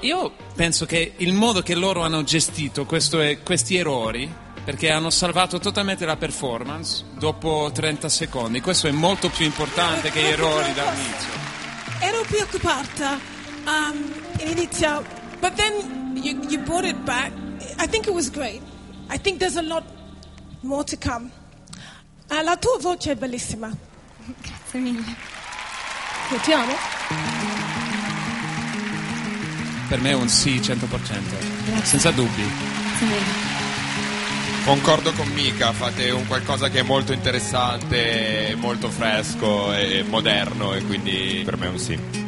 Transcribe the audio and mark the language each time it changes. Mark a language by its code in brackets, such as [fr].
[it] io penso che il modo che loro hanno gestito questi errori, perché hanno salvato totalmente la performance dopo 30 secondi. Questo è molto più importante che gli errori dall'inizio. Ero preoccupata all'inizio, [en] but then you brought it back. I think it was great. I think there's a lot more to come. [it] La tua voce è bellissima. Grazie mille. Sentiamo. Per me è un sì 100%. Grazie. Senza dubbi. Grazie mille. Concordo con Mika, fate un qualcosa che è molto interessante, molto fresco e moderno, e quindi per me è un sì.